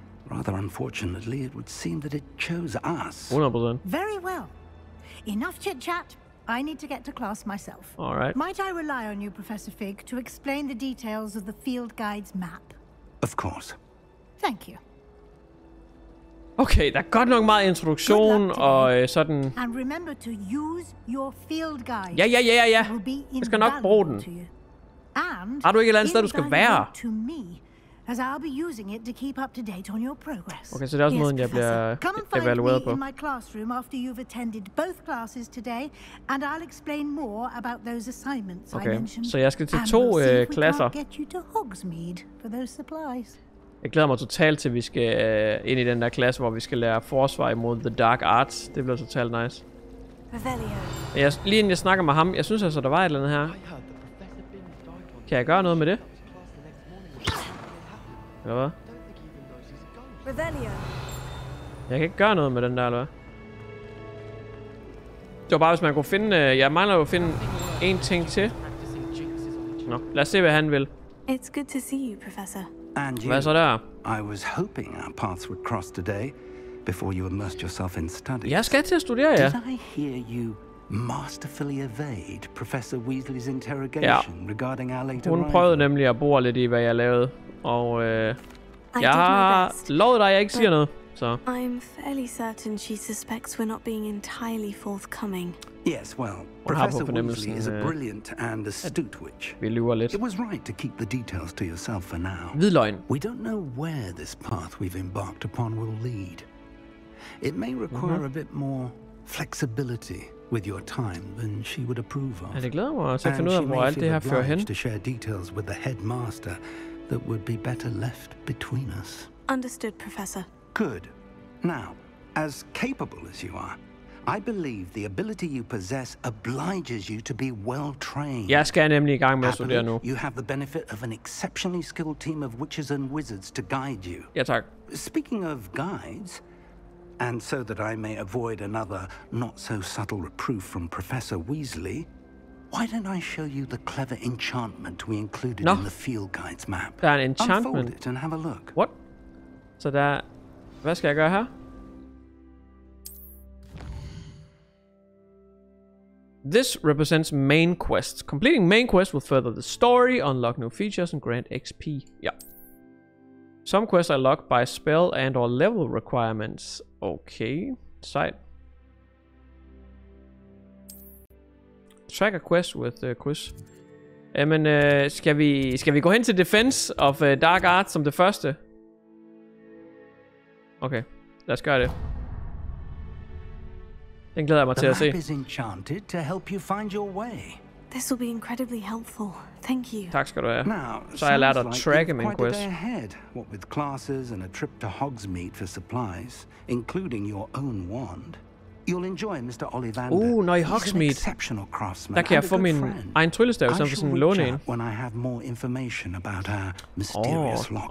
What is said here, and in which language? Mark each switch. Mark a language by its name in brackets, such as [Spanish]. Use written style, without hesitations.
[English] Rather unfortunately, it would seem that it chose us. 100%. Very well. Enough chit-chat. I need to get to class myself. All right. Might I rely on you, Professor Fig, to explain the details of the field guide's map? Of course. Thank you. [Danish] Okay, der er godt nok meget introduktion og sådan. [English] And remember to use your field guide. [Danish] Ja. Jeg skal nok bruge den. [English] And [Danish] har du ikke et eller andet sted du skal være? [English] To me, as I'll be using it to keep up to date on your progress. [Danish] Okay, så det er også måden jeg bliver evalueret på. [English] Come find me in my classroom after you've attended both classes today, and I'll explain more about those assignments I mentioned. [Danish] Okay, så jeg skal til to klasser. [English] Get you to Hogsmeade for those supplies. [Danish] Jeg glæder mig totalt til, at vi skal ind i den der klasse, hvor vi skal lære forsvar imod The Dark Arts. Det bliver totalt nice. Revelio. Lige inden jeg snakker med ham, jeg synes altså, der var et eller andet her. Kan jeg gøre noget med det? Eller hvad? Revelio. Jeg kan ikke gøre noget med den der, eller hvad? Det var bare, hvis man kunne finde... jeg mangler jo at finde en ting til. Nå, lad os se, hvad han vil. [English] It's good to see you, Professor. And you, [Danish] hvad så der? [English] I was hoping our paths would cross today, before you immersed yourself in study. [Danish] Jeg skal til at studere, ja. [English] Did I hear you masterfully evade Professor Weasley's interrogation regarding our late [Danish] arrival? Hun prøvede nemlig at bore lidt i, hvad jeg lavede, og jeg har lovet dig, jeg ikke siger noget, så. [English] I'm fairly certain she suspects we're not being entirely forthcoming. Yes, well, Professor Weasley is a brilliant and astute witch. [Danish] Vi lyver lidt. [English] It was right to keep the details to yourself for now. [Danish] Hvidløgn. [English] We don't know where this path we've embarked upon will lead. It may require a bit more flexibility with your time than she would approve of. [Danish] Ja, det glæder mig at se finde ud af, hvor alt det her fører hen. [English] To share details with the headmaster that would be better left between us. Understood, Professor. Good. Now, as capable as you are, I believe the ability you possess obliges you to be well trained. [Danish] Jeg skal nemlig i gang med at studere nu. [English] You have the benefit of an exceptionally skilled team of witches and wizards to guide you. [Danish] Ja, tak. [English] Speaking of guides, and so that I may avoid another not so subtle reproof from Professor Weasley, why don't I show you the clever enchantment we included in the field guides map? [Danish] Der er en enchantment. [English] Unfold it and have a look. What? [Danish] Så der, hvad skal jeg gøre her? [English] This represents main quests. Completing main quests will further the story, unlock new features, and grant XP. Yeah. Some quests are locked by spell and or level requirements. [Danish] Okay. Sejt. [English] Track a quest with quiz. [Danish] Jamen, skal vi gå hen til Defense of Dark Arts som det første? Okay. Lad os gøre det. Den glæder jeg mig til at se. [English] The map is enchanted to help you find your way. This will be incredibly helpful. Thank you. Tak skal du have. Now, så jeg lærer at tracke min quest. Quite a day ahead, what with classes and a trip to Hogsmeade for supplies, including your own wand. You'll enjoy Mr. Ollivander. [Danish] Når i Hogsmeade. [English] Exceptional craftsman. [Danish] Der kan jeg få min egen tryllestav, som sådan låne en. [English] When I have more information about our mysterious locket.